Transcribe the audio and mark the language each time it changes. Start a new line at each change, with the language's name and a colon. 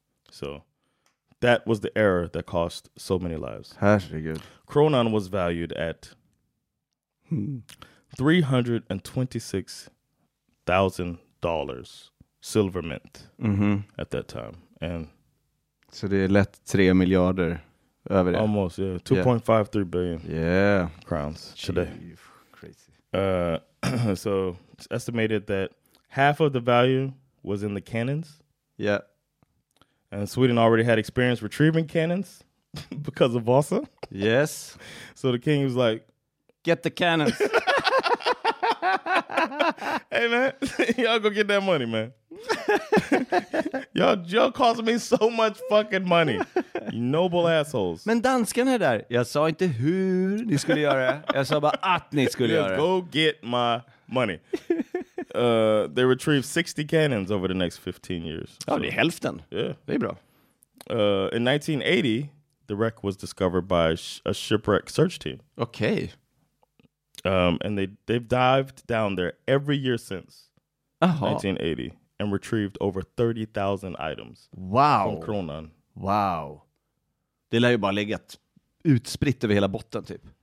English: So that was the error that cost so many lives. That's pretty good. Cronin was valued at 326,000 dollars silver mint at that time. And
Swedish: so det är lätt 3 miljarder över det.
English: Almost, yeah. 2.53 billion. Yeah. Crowns today. Crazy. So it's estimated that half of the value was in the cannons. Yeah. And Sweden already had experience retrieving cannons because of Vasa. Yes. So the king was like, get the cannons. Hey, man, y'all go get that money, man. y'all cost me so much fucking money. You noble assholes.
Swedish: Men danskarna är där. Jag sa inte hur ni skulle göra. Jag sa bara att ni skulle göra.
English: Go get my money. They retrieved 60 cannons over the next 15 years.
Swedish: Ja, det är hälften.
English: Yeah.
Swedish: Det är bra.
English: In 1980, the wreck was discovered by a shipwreck search team. Okay. And they've dived down there every year since 1980 and retrieved over 30,000 items. Wow. From Kronan. Wow.
Swedish: Det lär ju bara legat utspritt över hela botten typ.